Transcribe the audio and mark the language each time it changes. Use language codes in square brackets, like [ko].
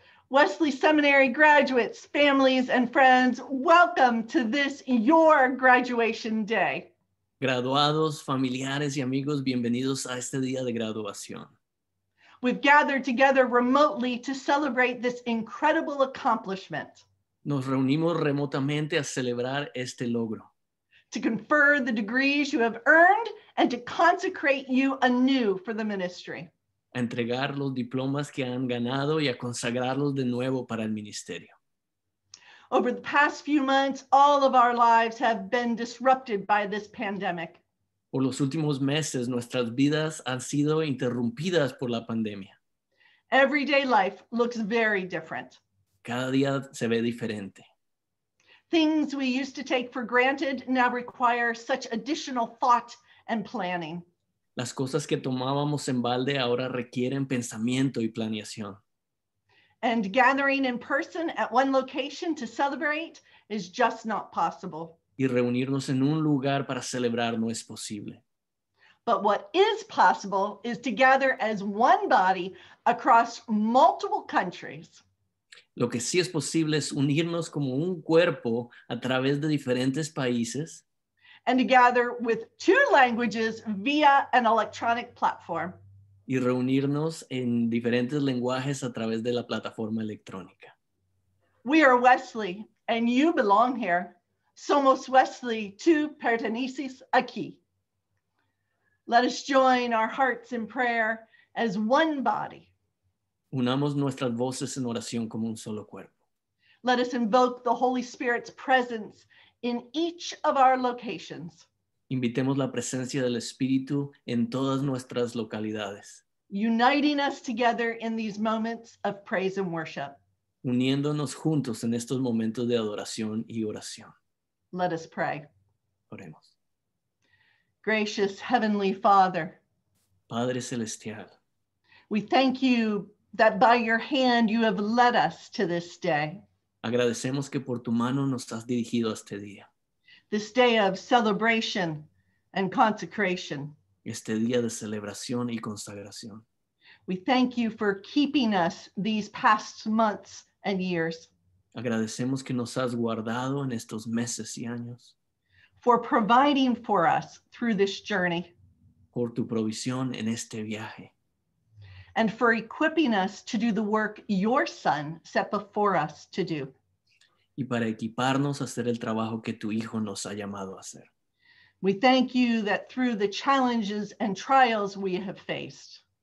[en] Wesley Seminary graduates, families, and friends, welcome to this your graduation day. [es] Graduados, familiares, y amigos, bienvenidos a este día de graduación. [en] We've gathered together remotely to celebrate this incredible accomplishment. [es] Nos reunimos remotamente a celebrar este logro. [en] To confer the degrees you have earned and to consecrate you anew for the ministry. [es] A entregar los diplomas que han ganado y a consagrarlos de nuevo para el ministerio. [en] Over the past few months, all of our lives have been disrupted by this pandemic. [es] Por los últimos meses, nuestras vidas han sido interrumpidas por la pandemia. [en] Everyday life looks very different. [es] Cada día se ve diferente. [en] Things we used to take for granted now require such additional thought and planning. [es] Las cosas que tomábamos en balde ahora requieren pensamiento y planeación. [en] And gathering in person at one location to celebrate is just not possible. [es] Y reunirnos en un lugar para celebrar no es posible. [en] But what is possible is to gather as one body across multiple countries. [es] Lo que sí es posible es unirnos como un cuerpo a través de diferentes países. [en] And to gather with two languages via an electronic platform. [es] Y reunirnos en diferentes lenguajes a través de la plataforma electrónica. [en] We are Wesley, and you belong here. [es] Somos Wesley, tú pertenecis aquí. [en] Let us join our hearts in prayer as one body. [es] Unamos nuestras voces en oración como un solo cuerpo. [en] Let us invoke the Holy Spirit's presence in each of our locations. [es] Invitemos la presencia del Espíritu en todas nuestras localidades. [en] Uniting us together in these moments of praise and worship. [es] Uniéndonos juntos en estos momentos de adoración y oración. [en] Let us pray. [es] Oremos. [en] Gracious Heavenly Father. [es] Padre Celestial. [en] We thank you that by your hand you have led us to this day. [es] Agradecemos que por tu mano nos has dirigido a este día. [en] This day of celebration and consecration. [es] Este día de celebración y consagración. [en] We thank you for keeping us these past months and years. [es] Agradecemos que nos has guardado en estos meses y años. [en] For providing for us through this journey. [es] Por tu provisión en este viaje. [en] And for equipping us to do the work your Son set before us to do. [es] Y para equiparnos a hacer el trabajo que tu Hijo nos ha llamado a hacer. [en] We thank you that through the challenges and trials we have faced.